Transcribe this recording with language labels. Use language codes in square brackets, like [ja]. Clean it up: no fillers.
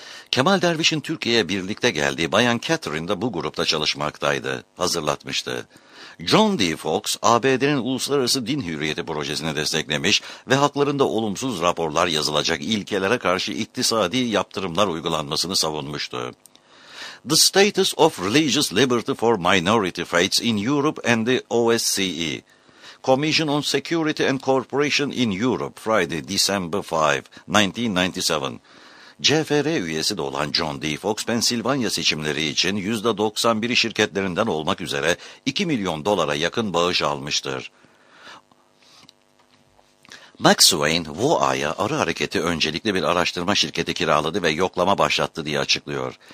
[tr] Kemal Derviş'in Türkiye'ye birlikte geldiği Bayan Catherine de bu grupta çalışmaktaydı, hazırlatmıştı. John D. Fox, ABD'nin Uluslararası Din Hürriyeti Projesi'ni desteklemiş ve haklarında olumsuz raporlar yazılacak ilkelere karşı iktisadi yaptırımlar uygulanmasını savunmuştu. [en] The Status of Religious Liberty for Minority Faiths in Europe and the OSCE, Commission on Security and Cooperation in Europe, Friday, December 5, 1997. [tr] CFR üyesi de olan John D. Fox, Pennsylvania seçimleri için %91'i şirketlerinden olmak üzere 2 milyon dolara yakın bağış almıştır. McSwain, VOA'ya arı hareketi öncelikli bir araştırma şirketi kiraladı ve yoklama başlattı diye açıklıyor.